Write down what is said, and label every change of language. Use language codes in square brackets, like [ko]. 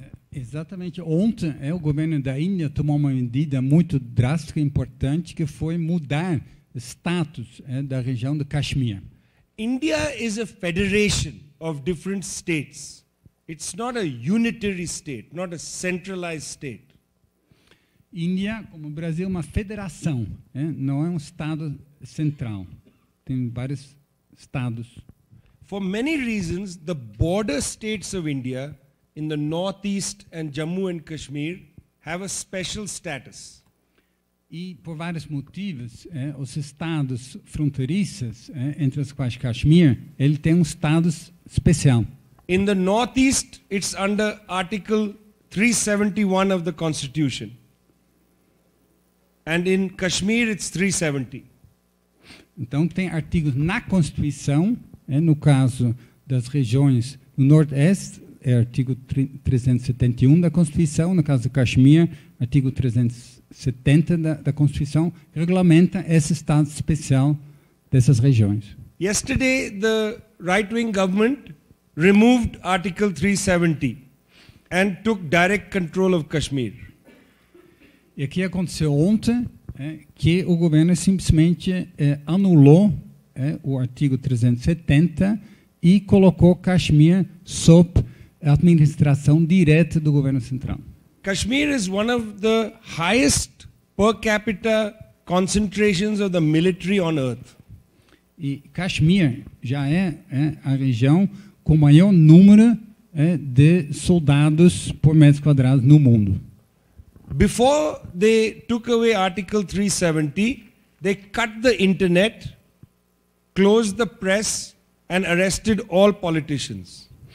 [pt] Exatamente ontem, o governo da Índia tomou uma medida muito drástica e importante, que foi mudar o status da região do Kashmir. [en] India is a federation of different states. It's not a unitary state, not a centralized state. [pt] Índia, como o Brasil, é uma federação, não é um estado central. Tem vários estados. [en] For many reasons, the border states of India, in the northeast and Jammu and Kashmir, have a special status. [pt] E por vários motivos, os estados fronteiriços, entre os quais Kashmir, ele tem um status especial. [en] In the northeast, it's under Article 371 of the Constitution. And in Kashmir, it's 370. [pt] Então, tem artigos na Constituição, no caso das regiões do Nordeste, é artigo 371 da Constituição, no caso de Caxemira, artigo 370 da Constituição, regulamenta esse estado especial dessas regiões. [en] Yesterday, the right-wing government removed Article 370 and took direct control of Kashmir. [pt] E aqui aconteceu ontem que o governo simplesmente anulou o artigo 370 e colocou Kashmir sob a administração direta do governo central. [en] Kashmir is one of the highest per capita concentrations of the military on earth. [pt] E Kashmir já é a região com maior número de soldados por metro quadrado no mundo. [en] Before they took away Article 370, they cut the internet, closed the press and arrested all politicians.